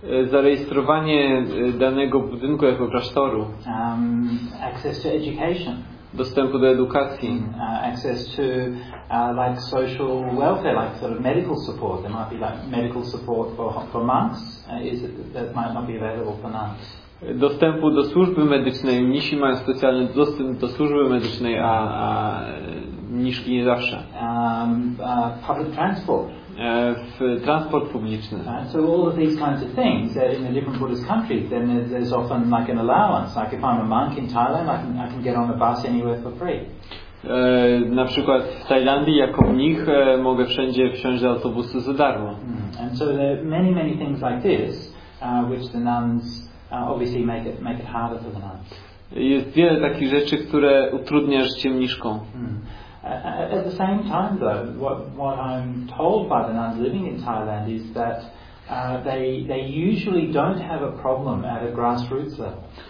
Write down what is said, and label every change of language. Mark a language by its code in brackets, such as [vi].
[pl] Zarejestrowanie danego budynku jako klasztoru. [en] Access to education. [pl] Dostępu do edukacji. [en] Access to like social welfare, like sort of medical support. There might be like medical support for monks. That might not be available for nuns. [pl] Dostępu do służby medycznej. Mnisi mają specjalny dostęp do służby medycznej, a mniszki nie zawsze. [en] Public transport. [pl] W transport publiczny. [en] So all of these kinds of things that in the different Buddhist countries, then there's often like an allowance. Like if I'm a monk in Thailand, I can get on a bus anywhere for free. [pl] Na przykład w Tajlandii jako mnich mogę wszędzie wsiąść do autobusu za darmo. [en] And so there are many, many things like this, which the nuns obviously make it harder for the nuns. [pl] Jest wiele takich rzeczy, które utrudnia życie mniszkom. [en] At the same time, though, what I'm told by the nuns living in Thailand is that they usually don't have a problem at a grassroots level.